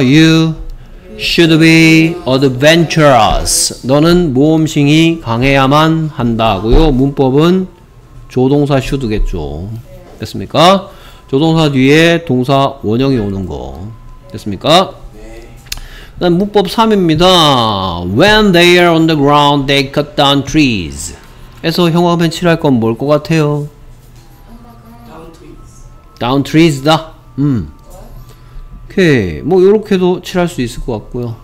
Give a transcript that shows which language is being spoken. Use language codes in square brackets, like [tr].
[en] You should be adventurous. [ko] 너는 모험심이 강해야만 한다고요. 문법은 조동사 should겠죠. 됐습니까? 조동사 뒤에 동사 원형이 오는 거. 됐습니까? 그 다음 문법 3입니다. [en] When they are on the ground, they cut down trees. [ko] 에서 형광펜 칠할 건 뭘 것 같아요? [en] Down trees. Down trees [ko] 다? 오케이. 뭐 요렇게도 칠할 수 있을 것 같고요.